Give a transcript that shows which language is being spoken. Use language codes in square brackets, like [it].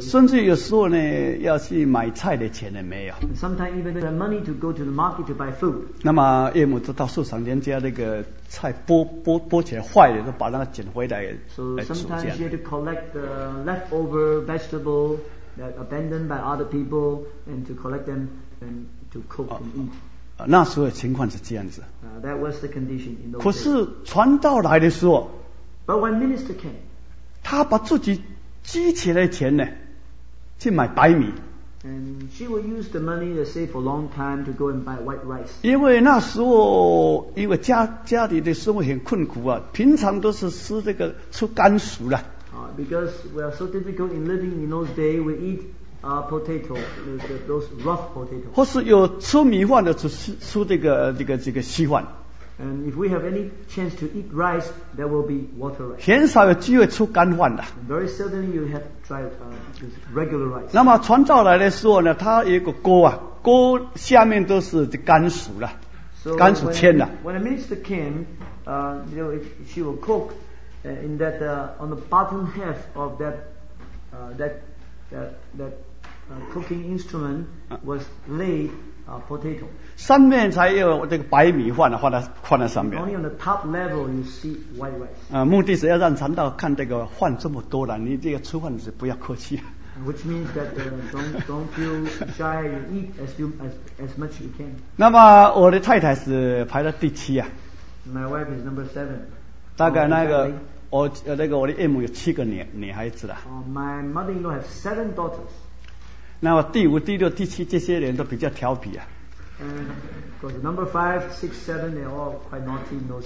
[zh] 甚至有时候呢，要去买菜的钱也没有。 [en] Sometimes even have money to go to the market to buy food. [zh] 那么岳母就到树上，连家那个菜剥起来坏了，都把那个捡回来。 [en] So sometimes she had to collect the leftover vegetable that abandoned by other people and to collect them and to cook and eat. [zh] 那时候的情况是这样子。 [en] That was the condition in [zh] those. 可是传道来的时候。 [en] But when minister came, [zh] 他把自己积起来的钱呢，去买白米。 [en] And she will use the money to save for a long time to go and buy white rice. [zh] 因为那时候，因为家里的生活很困苦啊，平常都是吃这个吃甘薯了。 [en] Because we are so difficult in living in those days, we eat potato, those rough potatoes. [zh] 或是有吃米饭的，吃这个稀饭。 [en] And if we have any chance to eat rice, there will be water rice. [zh] 很少有机会出干饭的。 [en] Very seldom you have tried regular rice. [zh] 那么传道来的时候呢，他有个锅啊，锅下面都是甘薯了，甘薯签的。 [en] When a minister came, you know, she will cook in that on the bottom half of that cooking instrument was laid. Potato. [zh] 上面才有这个白米饭呢，放在上面。 [en] Only on the top level you see white rice. [zh] 目的是要让传道看这个饭这么多了，你这个吃饭是不要客气。 [en] Which means that don't feel shy, you eat as much you can. [zh] 那么我的太太是排在第七啊。 [en] My wife is number seven. [zh] 大概那个。我的岳母有七个女孩子了。 [en] My mother-in-law has seven daughters. [zh] 那么第五、第六、第七这些人都比较调皮啊。 [en] Because number five, six, seven, they're all quite naughty.